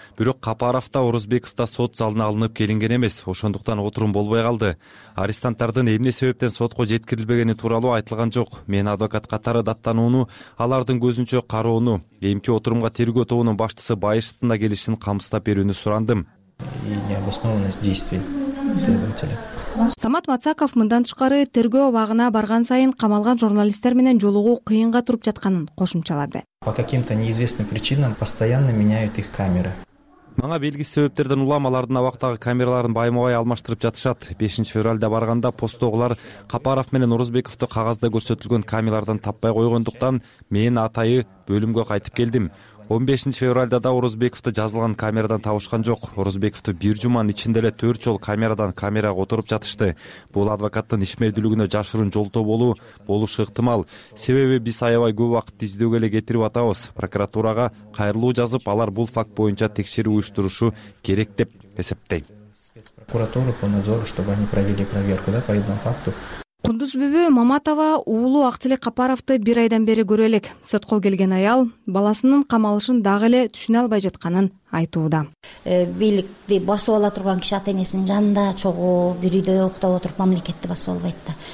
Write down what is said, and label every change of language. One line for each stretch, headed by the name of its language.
Kyrgyz: Бирок Капаров да Орозбеков да сот залына алынып келинген эмес, ошондуктан отурум болбой калды. Арестанттардын эмне себептен сотко жеткирилбегени тууралуу айтылган жок. Мен адвокат катары даттанууну, алардын көзүнчө кароону, эмки отурумга тергөө тобунун башчысы Байышевдин да келишин камсыздап берүүнү сурандым.
Russian: И необоснованность действий следователя.
Kyrgyz: Самат Мацаков мындан тышкары тергөө абагына барган сайын камалган журналисттер менен жолугуу кыйынга туруп жатканын кошумчалады.
Russian: По каким-то неизвестным причинам постоянно меняют их камеры.
Kyrgyz: Мага белгисиз себептерден улам алардын абактагы камераларын байма-бай алмаштырып жатышат. 5-февралда барганда постогулар Капаров менен Орозбековду кагазда көрсөтүлгөн камералардан таппай койгондуктан мен атайы бөлүмгө кайтып келдим. 15-февралда да Орозбековду жазылган камерадан табышкан жок. Орозбековду бир жуманын ичинде эле 4 жол камерадан камерага отуруп жатышты. Бул адвокаттын ишмердүүлүгүнө жашыруун жолтоо болушу ыктымал. Себеби биз аябай көп убакыт издөөгө эле кетирип атабыз. Прокуратурага кайрылуу жазып, алар бул факт боюнча текшерүү уюштурушу керек деп эсептейм.
Russian: Спецпрокуратура по надзору, чтобы они провели проверку, да, по этому факту.
Kyrgyz: Кундуз Бүбү Маматова уулу Актилек Капаровду бир айдан бери көрө элек. Сотко келген аял баласынын камалышын дагы эле түшүнө албай жатканын айтууда. Бийликти басып ала турган киши ата энесинин жанында чогуу бир үйдө уктап отуруп мамлекетти басып албайт да.